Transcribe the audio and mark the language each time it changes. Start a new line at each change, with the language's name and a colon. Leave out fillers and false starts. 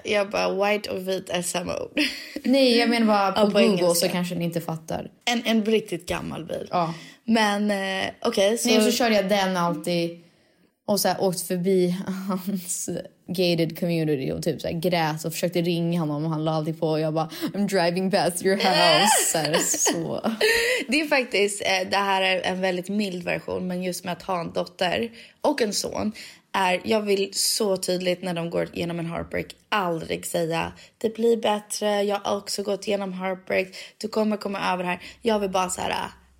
Swedish: Jag bara, white och vit är samma ord. Nej, jag menar bara på Google engelska. Så kanske ni inte fattar. En riktigt gammal bil. Ja. Men, okej. Okay, så körde jag den alltid och så här, åkt förbi hans gated community och typ så här, grät och försökte ringa honom och han la alltid på. Och jag bara,
English: I'm driving past your house.
Swedish: Så här, så. Det är faktiskt, det här är en väldigt mild version, men just med att ha en dotter och en son... är, jag vill så tydligt när de går igenom en heartbreak aldrig säga det blir bättre, jag har också gått igenom heartbreak, du kommer komma över här. Jag vill bara så här,